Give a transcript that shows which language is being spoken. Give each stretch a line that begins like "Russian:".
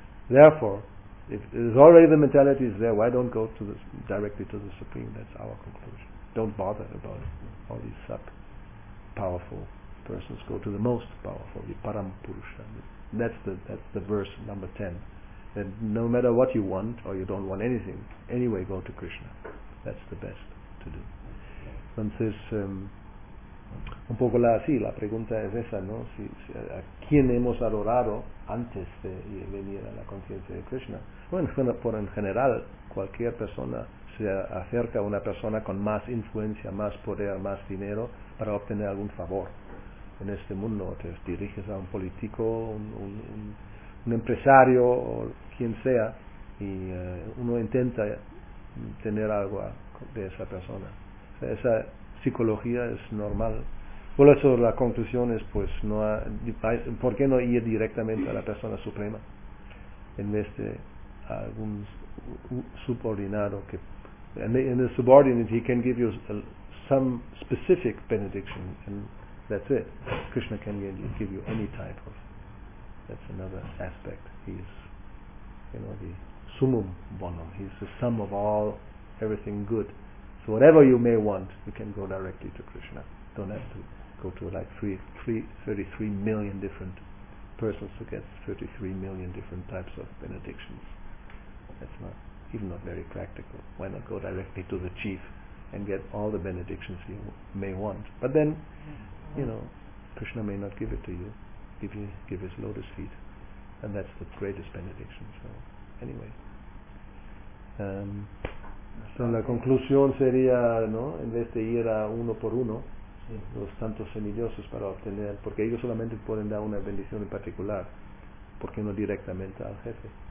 English: Therefore, if already the mentality is there, why don't go to the directly to the Supreme? That's our conclusion. Don't bother about all these sub-powerful persons. Go to the most powerful, the Parampurusha. That's the verse number 10. That no matter what you want or you don't want anything, anyway go to Krishna. That's the best to do.
Spanish: Entonces, un poco la pregunta es esa, ¿no? Si a quién hemos adorado antes de venir a la conciencia de Krishna. Bueno, por en general, cualquier persona se acerca a una persona con más influencia, más poder, más dinero para obtener algún favor en este mundo. Te diriges a un político, un empresario o quien sea, y uno intenta tener algo de esa persona. O sea, esa psicología es normal. Por eso la conclusión es, pues, ¿por qué no ir directamente a la persona suprema en vez de algún subordinado?
English: And the subordinate, he can give you some specific benediction, and that's it. Krishna can give you any type of. That's another aspect. He's, the summum bonum. He's the sum of all, everything good. So whatever you may want, you can go directly to Krishna. Don't have to go to like 33 million different persons to get 33 million different types of benedictions. That's not even not very practical. Why not go directly to the chief and get all the benedictions you may want? But then, Krishna may not give it to you. Give his lotus feet, and that's the greatest benediction. So, anyway,
Spanish: la conclusión sería, ¿no? En vez de ir a uno por uno, los tantos semidioses para obtener, porque ellos solamente pueden dar una bendición en particular, porque no directamente al jefe.